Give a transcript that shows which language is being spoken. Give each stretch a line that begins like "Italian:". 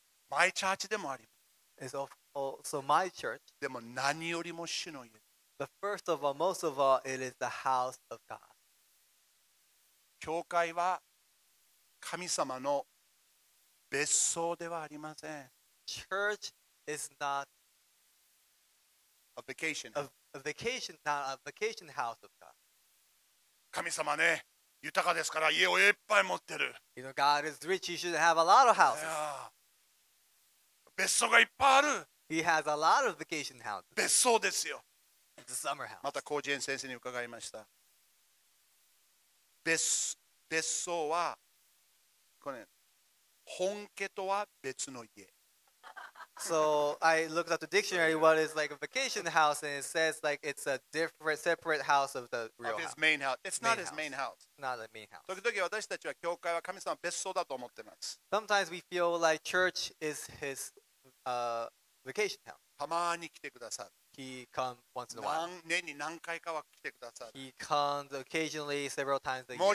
English: My church
Japanese: でもあります。
English: It's also my church.
Japanese: でも何よりも主の家。
English: The first of all, most of all, it is the house of God.
Japanese: 教会は神様の別荘ではありません。
English: Church is not a vacation. Not a vacation house of God.
Japanese: 神様ね、豊かですから家をいっぱい持ってる。
English: You know, God is rich, he should have a lot of houses.
Japanese: 別荘がいっぱいある。
English: He has a lot of vacation houses.
Japanese: 別荘ですよ。
English: The summer house.
Japanese: また高知園先生に伺いました。別荘はこれ、本家とは別の家。
English: So I looked at the dictionary. What is like a vacation house, and it says like it's a different, separate house of the real house. Of his main house. It's not his main house. Not the main house.
Japanese: 時々私たちは教会は神様別荘だと思ってます。
English: Sometimes we feel like church is his vacation house.
Japanese: たまに来てくださる。
English: He comes once in a while.
Japanese: 年に何回かは来てくださる。
English: He comes occasionally several times a year.